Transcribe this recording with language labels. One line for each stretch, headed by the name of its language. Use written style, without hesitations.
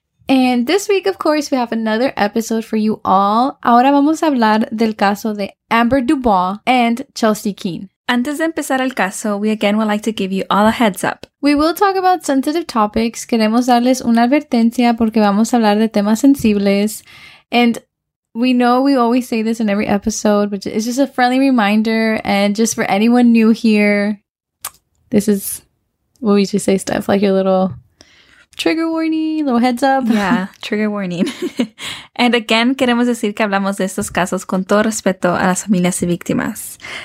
English: And this week, of course, we have another episode for you all.
Spanish: Ahora vamos a hablar del caso de Amber Dubois and Chelsea Keene. Antes de empezar el caso,
English: we again would like to give you all a heads up. We will talk about sensitive topics.
Spanish: Queremos darles una advertencia porque vamos a hablar de temas sensibles.
English: And we know we always say this in every episode, but it's just a friendly reminder. And just for anyone new here, this is what we should say, Steph, like your little trigger warning, little heads up. Yeah, trigger warning. And again,
Spanish: queremos decir que hablamos de estos casos con todo respeto a las familias y víctimas.